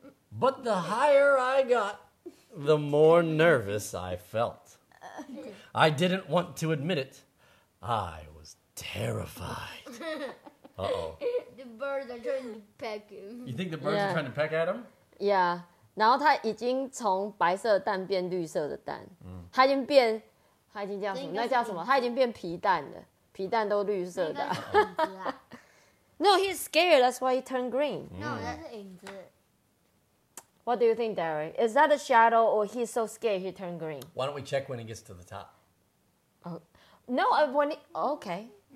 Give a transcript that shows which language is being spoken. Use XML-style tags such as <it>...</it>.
<en>But the higher I got, the more nervous I felt. I didn't want to admit it. I was terrified. Uh-oh. The birds are trying to peck him. You think the birds are trying to peck at him? Yeah.</en> <zh>然后他已经从白色的蛋变绿色的蛋。他已经变，他已经叫什么？那叫什么？他已经变皮蛋了。皮蛋都绿色的。</zh> <en>No, he's scared. That's why he turned green. No, that's</en> <zh>影子。</zh> <en>What do you think, Derek? Is that a shadow or he's so scared he turned green? Why don't we check when he gets to the top? Oh, no, when he, okay.</en>